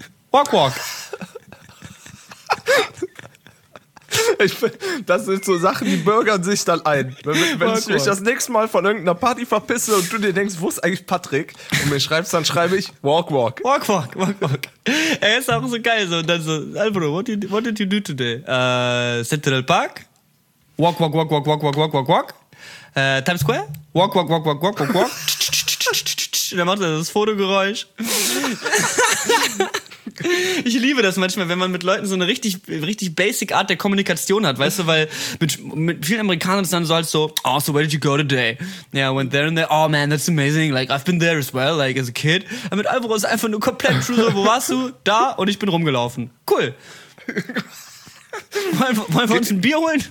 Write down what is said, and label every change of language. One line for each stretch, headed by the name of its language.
English: Walk, walk.
German: Das sind so Sachen, die bürgern sich dann ein. Wenn ich mich das nächste Mal von irgendeiner Party verpisse und du dir denkst, wo ist eigentlich Patrick? Und mir schreibst, dann schreibe ich
English: walk, walk. Walk, walk, walk, walk.
German: Er ist auch so geil.
English: So,
German: dann so,
English: Alvaro, what did you do today? Central Park? Walk, walk, walk, walk, walk, walk, walk, walk, walk. Times Square? Walk, walk, walk, walk, walk, walk, walk.
German: Dann macht er das Fotogeräusch. Ich liebe das manchmal, wenn man mit Leuten so eine richtig, richtig basic Art der Kommunikation hat, weißt du, weil mit vielen Amerikanern ist dann so halt so,
English: oh, so where did you go today? Yeah, I went there and there, oh man, that's amazing, like I've been there as well, like as a kid.
German: Und mit Alvaro ist einfach nur komplett true, so, wo warst du? Da, und ich bin rumgelaufen. Cool. Wollen wir uns ein Bier holen?